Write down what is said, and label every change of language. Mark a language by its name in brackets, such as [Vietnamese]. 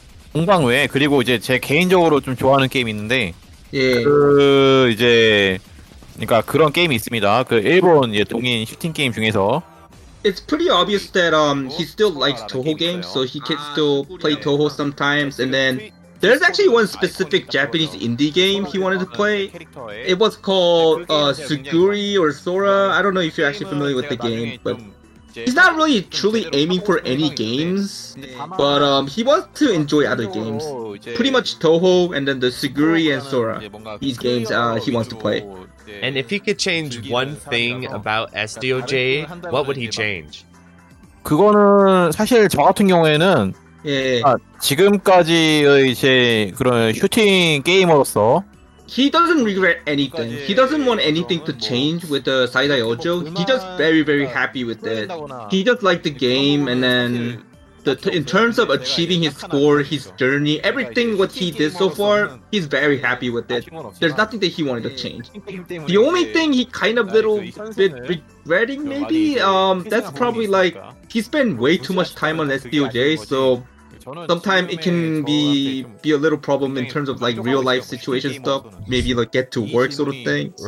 [Korean] 공방 외에 그리고 이제 제 개인적으로 좀 좋아하는 게임이 있는데 예. 그 이제 그러니까 그런 게임이 있습니다. 그 일본 이제 동인 슈팅 게임 중에서 [English] It's pretty obvious that he still likes touhou games, so he can still play touhou sometimes and then There's actually one specific Japanese indie game he wanted to play. It was called Suguri or Sora. I don't know if you're actually familiar with the game, but he's not really truly aiming for any games, but he wants to enjoy other games. Pretty much touhou and then the Suguri and Sora. These games he wants to play. And if he could change one thing about SDOJ, what would he change? [Korean] 그거는 사실 저 같은 경우에는 예. 아, 지금까지의 제 그런 슈팅 게이머로서 [English] He doesn't regret anything. He doesn't want anything to change with the SaiDaiOuJou. He just very very happy with it. He just liked the game and then in terms of achieving his score, his journey, everything what he did so far, he's very happy with it. There's nothing that he wanted to change. The only thing he kind of little bit regretting maybe that's probably like He spent way too much time on SDOJ, so sometimes it can be a little problem in terms of like real life situation stuff, maybe like get to work sort of thing. So